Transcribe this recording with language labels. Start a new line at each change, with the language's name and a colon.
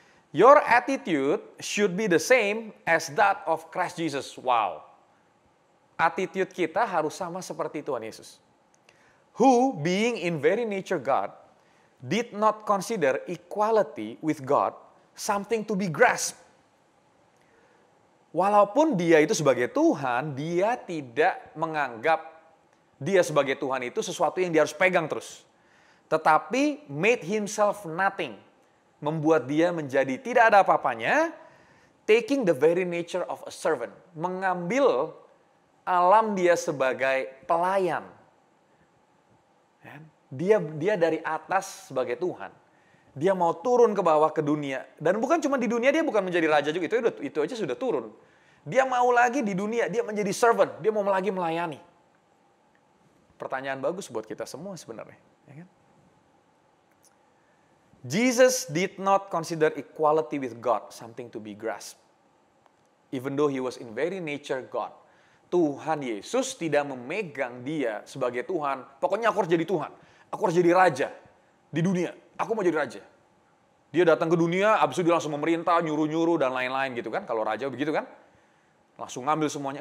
English: Your attitude should be the same as that of Christ Jesus. Wow.
Indonesian: Attitude kita harus sama seperti Tuhan Yesus.
English: Who, being in very nature God, did not consider equality with God something to be grasped.
Indonesian: Walaupun dia itu sebagai Tuhan, dia tidak menganggap dia sebagai Tuhan itu sesuatu yang dia harus pegang terus. Tetapi
English: made himself nothing,
Indonesian: membuat dia menjadi tidak ada apa-apanya,
English: taking the very nature of a servant,
Indonesian: mengambil alam dia sebagai pelayan. Dia dari atas sebagai Tuhan. Dia mau turun ke bawah ke dunia. Dan bukan cuma di dunia, dia bukan menjadi raja juga. Itu aja sudah turun. Dia mau lagi di dunia, dia menjadi servant. Dia mau lagi melayani. Pertanyaan bagus buat kita semua sebenarnya. Ya kan?
English: Jesus did not consider equality with God something to be grasped. Even though he was in very nature God.
Indonesian: Tuhan Yesus tidak memegang dia sebagai Tuhan. Pokoknya aku harus jadi Tuhan. Aku harus jadi raja di dunia. Aku mau jadi raja. Dia datang ke dunia, abis itu dia langsung memerintah, nyuruh-nyuruh, dan lain-lain gitu kan. Kalau raja begitu kan. Langsung ngambil semuanya.